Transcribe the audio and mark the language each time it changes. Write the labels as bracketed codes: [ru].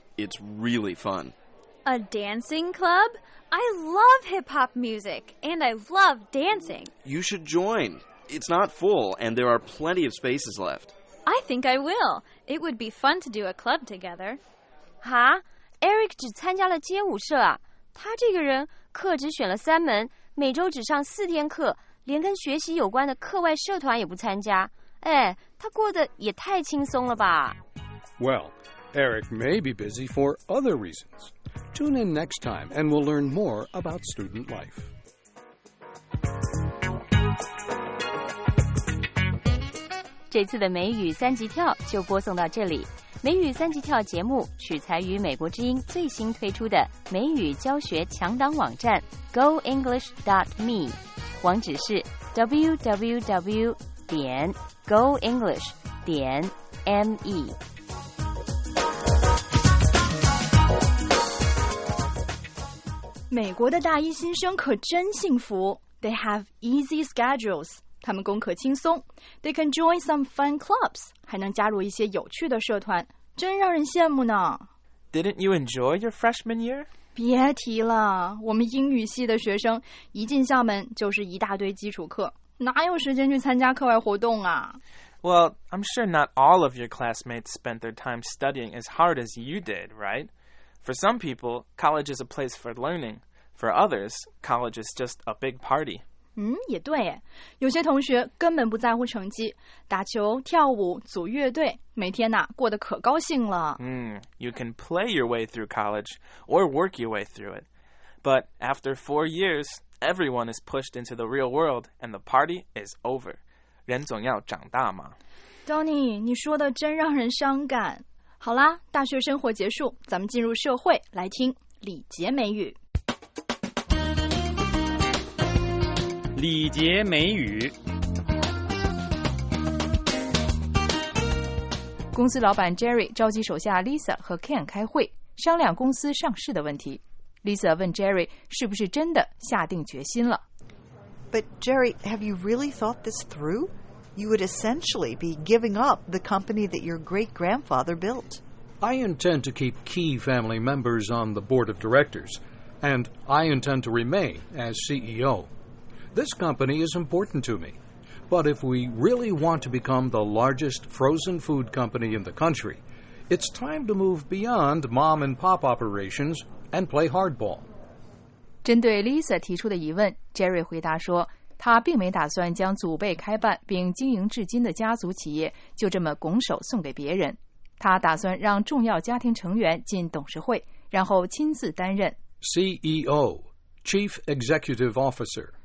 [en] It's really fun. A dancing club? I love hip-hop music, and I love dancing. You should join. It's not full, and there are plenty of spaces left. I think I will. It would be fun to do a club together. [zh] 哈?Eric 只参加了街舞社啊。他这个人课只选了三门，每周只上四天课，连跟学习有关的课外社团也不参加。哎，他过得也太轻松了吧。 [en] Well, Eric may be busy for other reasons. Tune in next time and we'll learn more about student life. This time, [zh] 美语三级跳就播送到这里。美语三级跳节目取材于美国之音最新推出的美语教学强档网站 goenglish.me， 网址是 www.goenglish.me。美国的大一新生可真幸福。 [en] They have easy schedules. [zh] 他们功课轻松。 [en] They can join some fun clubs. [zh] 还能加入一些有趣的社团。真让人羡慕呢。 [en] Didn't you enjoy your freshman year? [zh] 别提了，我们英语系的学生一进校门就是一大堆基础课，哪有时间去参加课外活动啊。 [en] Well, I'm sure not all of your classmates spent their time studying as hard as you did, right? For some people, college is a place for learning. For others, college is just a big party. [zh] 也对耶。有些同学根本不在乎成绩，打球、跳舞、组乐队，每天呐，过得可高兴了。 [en] You can play your way through college or work your way through it. But after 4 years, everyone is pushed into the real world and the party is over. [zh] 人总要长大嘛。 Donny, 你说的真让人伤感。好啦，大学生活结束，咱们进入社会，来听礼节美语。礼节美语。公司老板 Jerry 召集手下 Lisa 和 Ken 开会，商量公司上市的问题。 Lisa 问 Jerry 是不是真的下定决心了。 [en] But Jerry, have you really thought this through? You would essentially be giving up the company that your great-grandfather built. I intend to keep key family members on the board of directors, and I intend to remain as CEO. This company is important to me, but if we really want to become the largest frozen food company in the country, it's time to move beyond mom and pop operations and play hardball. [zh] 针对 Lisa 提出的疑问， Jerry 回答说，他并没打算将祖辈开办并经营至今的家族企业就这么拱手送给别人。他打算让重要家庭成员进董事会，然后亲自担任 [en] CEO, Chief Executive Officer,